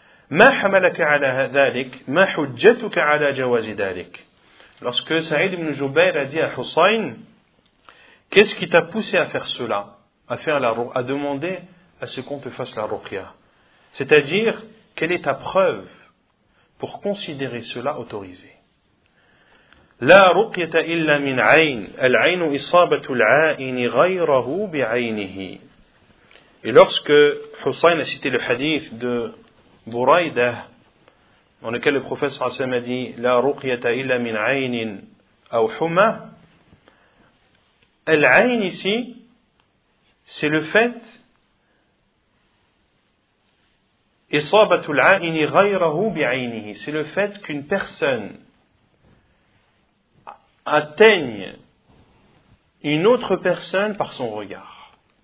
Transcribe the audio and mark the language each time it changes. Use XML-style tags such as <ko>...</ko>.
<ar>ما حملك على ذلك ما حجتك على جواز ذلك</ar> <fr>lorsque Saïd ibn Jubayr a dit à Hussein, qu'est-ce qui t'a poussé à faire cela, à demander à ce qu'on te fasse la ruqya, c'est-à-dire quelle est ta preuve pour considérer cela autorisé?</fr> <ar>لا رقية إلا من عين العين إصابة العائن غيره بعينه.</ar> <fr>Et lorsque Hussein a cité le hadith de Buraydah, dans lequel le prophète Hassan a dit «</fr> <ar>La ruqyata illa min aynin aw huma</ar> <fr>» Al-ayn ici, c'est le fait «</fr> <ar>Isabatu al-ayni ghayrahu bi'aynihi</ar> <fr>» C'est le fait qu'une personne atteigne une autre personne par son regard.</fr>